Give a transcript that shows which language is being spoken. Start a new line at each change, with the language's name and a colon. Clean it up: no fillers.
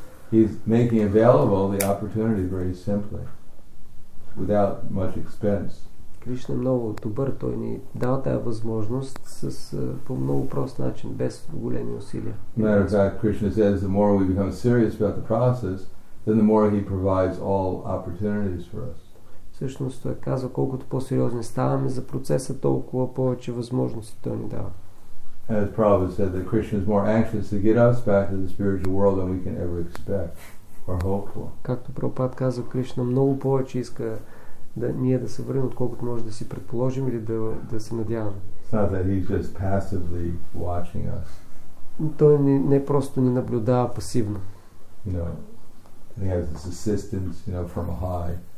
English: He's making available the opportunity very simply, without much expense.
Bulgarian: Krishna е много добър, той ни дава тая възможност по много прост начин, без големи усилия.
English: Matter of fact, Krishna says the more we become serious about the process, then the more he provides all opportunities for us.
Bulgarian: Всъщност той казва, колкото по-сериозни ставаме за процеса, толкова повече възможности той ни дава.
English: As Prabhupada said, that Krishna is more anxious to get us back to the spiritual world than we can ever expect or hope for.
Bulgarian: Както Прабхупад каза, Кришна много повече иска да ние да се върнем, отколкото може да си предположим или да се надяваме.
English: It's not that he's just passively watching us.
Bulgarian: Той не просто ни наблюдава пасивно.
English: You know, and he has this assistance, you know, from a high.